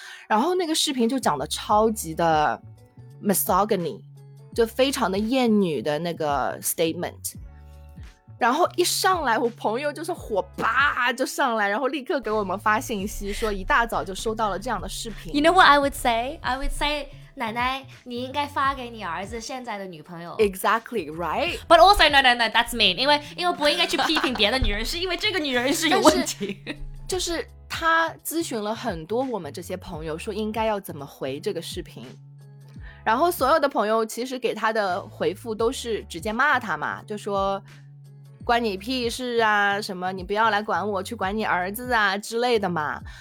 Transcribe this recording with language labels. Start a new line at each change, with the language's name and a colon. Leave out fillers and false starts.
Chinese: 然后那个视频就讲的超级的 misogyny，就非常的厌女的那个 statement。然后一上来我朋友就是火吧就上来，然后立刻给我们发信息说一大早就收到了这样的视频。
English: You know what I would say? I would say
Chinese: 奶奶你应该发给你儿子现在的女朋友。
English: Exactly right. But also no that's mean.
Chinese: 因为不应该去批评别的女人是因为这个女人是有问题。就是她咨询了很多我们这些朋友说应该要怎么回这个视频，然后所有的朋友其实给他的回复都是直接骂他嘛，就说关你屁事啊，什么你不要来管我，去管你儿子啊之类的嘛。